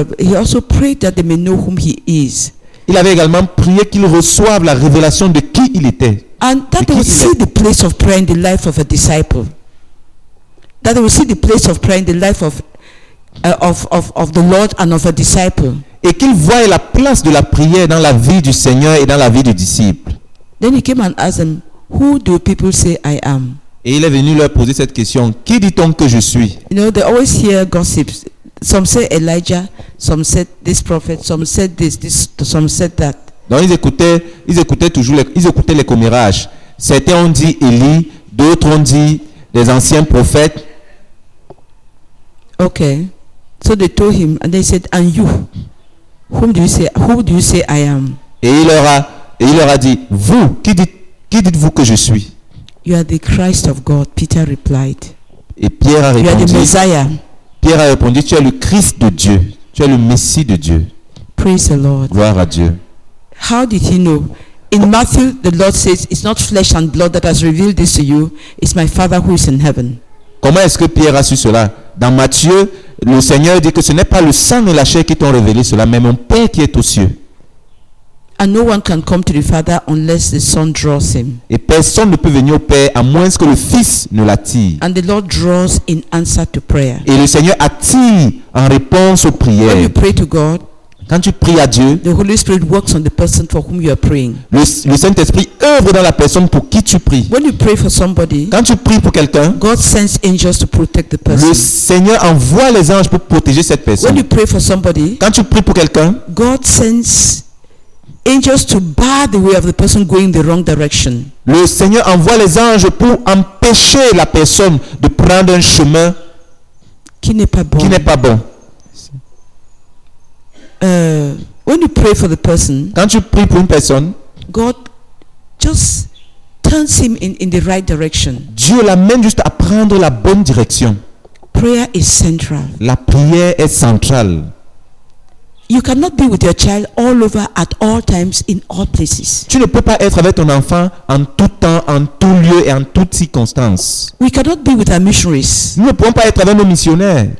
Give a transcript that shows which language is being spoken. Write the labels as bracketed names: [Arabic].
[French] Il avait également prié qu'ils reçoivent la révélation de qui il était. [English] And that they would see the place of prayer in the life of a disciple. That they would see the place of prayer in the life of the Lord and of a disciple. [French] et qu'il voit la place de la prière dans la vie du Seigneur et dans la vie du disciple. [English] Then he came and asked them, who do people say I am? [French] Et il est venu leur poser cette question, qui dit-on que je suis? [English] You know, they always hear gossips. Some say Elijah, some said this prophet, some said this, some said that. [French] Donc ils écoutaient les commérages. Certains ont dit Élie, d'autres ont dit des anciens prophètes. [English] Okay. So they told him and they said, and you, who do you say I am? [French] Et il leur a dit, vous, qui dites-vous que je suis? [English] You are the Christ of God, Peter replied. [French] Et Pierre a répondu. [English] You are the Messiah. [French] Pierre a répondu, tu es le Christ de Dieu, tu es le Messie de Dieu. [English] Praise the Lord. [French] Gloire à Dieu. [English] How did he know? In Matthew, the Lord says, it's not flesh and blood that has revealed this to you, it's my Father who is in heaven. [French] Comment est-ce que Pierre a su cela? Dans Matthieu, le Seigneur dit que ce n'est pas le sang et la chair qui t'ont révélé cela, mais mon Père qui est aux cieux. [English] And no one can come to the Father unless the Son draws him. [French] Et personne ne peut venir au Père à moins que le Fils ne l'attire. [English] And the Lord draws in answer to prayer. [French] Et le Seigneur attire en réponse aux prières. [English] When you pray to God, [French] quand tu pries à Dieu, [English] the Holy Spirit works on the person for whom you are praying. [French] Le Saint-Esprit œuvre dans la personne pour qui tu pries. [English] When you pray for somebody, [French] quand tu pries pour quelqu'un, [English] God sends angels to protect the person. [French] Le Seigneur envoie les anges pour protéger cette personne. [English] When you pray for somebody, [French] quand tu pries pour quelqu'un, [English] God sends angels to bar the way of the person going the wrong direction. [French] Le Seigneur envoie les anges pour empêcher la personne de prendre un chemin qui n'est pas bon. Qui n'est pas bon. [English] When you pray for the person, [French] quand tu pries pour une personne, [English] God just turns him in the right direction. [French] Dieu l'amène juste à prendre la bonne direction. [English] Prayer is central. [French] La prière est centrale. [English] You cannot be with your child all over at all times in all places. [French] Tu ne peux pas être avec ton enfant en tout temps, en tout lieu et en toutes circonstances. [English] We cannot be with our missionaries. [French] Nous ne pouvons pas être avec nos missionnaires.